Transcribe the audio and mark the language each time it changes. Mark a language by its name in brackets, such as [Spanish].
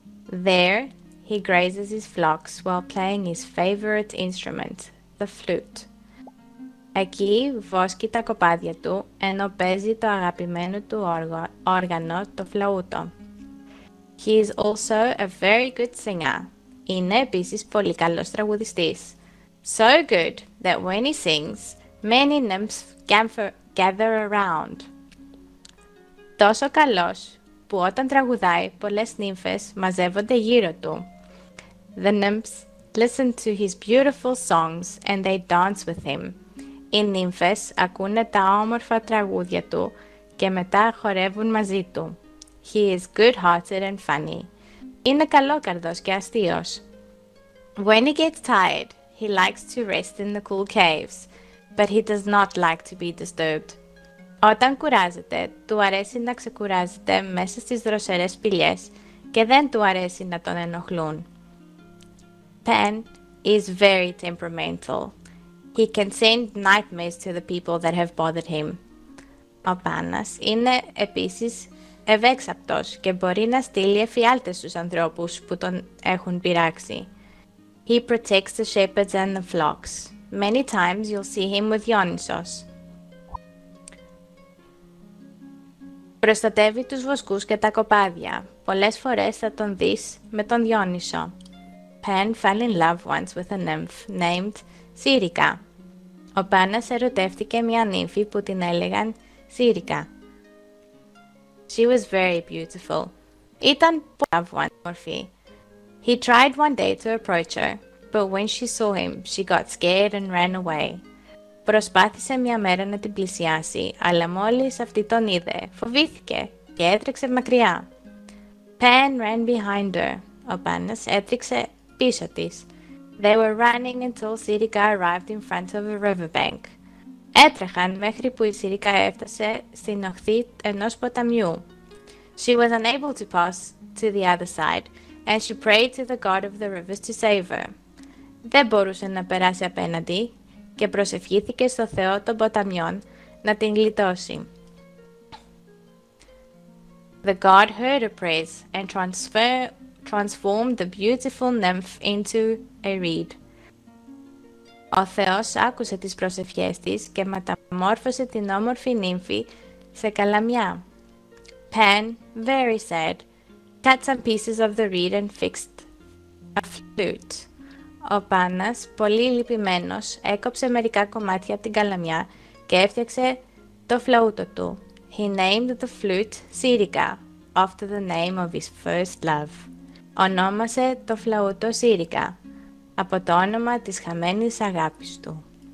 [English] There, he grazes his flocks while playing his favorite instrument, the flute. [Greek] Εκεί βόσκει τα κοπάδια του ενώ παίζει το αγαπημένο του όργανο, το φλαούτο. [English] He is also a very good singer. [Greek] Είναι επίσης πολύ καλός τραγουδιστής. [English] So good that when he sings, many nymphs gather around. [Greek] Τόσο καλός που όταν τραγουδάει, πολλές νύμφες μαζεύονται γύρω του. [English] The nymphs listen to his beautiful songs and they dance with him. [Greek] Οι νύμφες ακούνε τα όμορφα τραγούδια του και μετά χορεύουν μαζί του. [English] He is good-hearted and funny. [Greek] Είναι καλόκαρδος και αστείος. [English] When he gets tired, he likes to rest in the cool caves, but he does not like to be disturbed. [Greek] Όταν κουράζεται, του αρέσει να ξεκουράζεται μέσα στις δροσερές σπηλιές και δεν του αρέσει να τον ενοχλούν. [English] Pan is very temperamental. He can send nightmares to the people that have bothered him. [Greek] Ο Πάνας είναι επίσης ευέξαπτος και μπορεί να στείλει εφιάλτες στους ανθρώπους που τον έχουν πειράξει. [English] He protects the shepherds and the flocks. Many times you'll see him with Dionysos. [Greek] Προστατεύει τους βοσκούς και τα κοπάδια. Πολλές φορές θα τον δεις με τον Διόνυσο. [English] Pan fell in love once with a nymph named Syrica. [Greek] Ο Πάνας ερωτεύτηκε μια νύμφη που την έλεγαν Σύρικα. [English] She was very beautiful. [Greek] Ήταν πολύ όμορφη. [English] He tried one day to approach her, but when she saw him, she got scared and ran away. [Greek] Προσπάθησε μια μέρα να την πλησιάσει, αλλά μόλις αυτή τον είδε, φοβήθηκε και έτρεξε μακριά. [English] Pan ran behind her. [Greek] Ο Πάνας έτρεξε πίσω της. [English] They were running until Sirika arrived in front of a riverbank. [Greek] Έτρεχαν μέχρι που η Σιρικά έφτασε στην οχθή ενός ποταμιού. [English] She was unable to pass to the other side, and she prayed to the god of the rivers to save her. [Greek] Δεν μπορούσε να περάσει απέναντι και προσευχήθηκε στο Θεό των ποταμιών να την γλιτώσει. [English] The god heard her prayers and transformed the beautiful nymph into a reed. [Greek] Ο Θεός άκουσε τις προσευχές της και μεταμόρφωσε την όμορφη νύμφη σε καλαμιά. [English] Pan, very sad, cut some pieces of the reed and fixed a flute. [Greek] Ο Πάνας, πολύ λυπημένος, έκοψε μερικά κομμάτια από την καλαμιά και έφτιαξε το φλούτο του. [English] He named the flute Sirika, after the name of his first love. [Greek] Ονόμασε το φλούτο Sirika, από το όνομα της χαμένης αγάπης του.